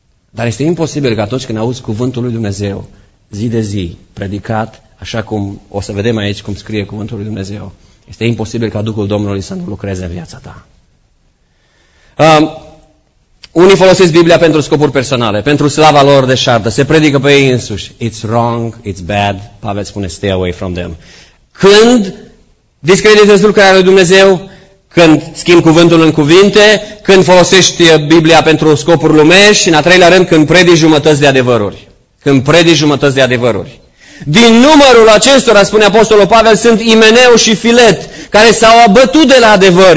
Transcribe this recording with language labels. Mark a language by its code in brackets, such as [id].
[ro] Dar este imposibil că atunci când auzi cuvântul lui Dumnezeu, zi de zi, predicat, așa cum o să vedem aici cum scrie cuvântul lui Dumnezeu, este imposibil ca Duhul Domnului să nu lucreze în viața ta. Unii folosesc Biblia pentru scopuri personale, pentru slava lor de șartă, se predică pe ei însuși. [en] It's wrong, it's bad, [ro] Pavel spune [en] stay away from them. [ro] Când discreditezi lucrarea lui Dumnezeu, când schimbi cuvântul în cuvinte, când folosești Biblia pentru scopuri lumești și, în a treilea rând, când predici jumătăți de adevăruri. Când predici jumătăți de adevăruri. Din numărul acestora, spune Apostolul Pavel, sunt Imeneu și Filet, care s-au abătut de la adevăr.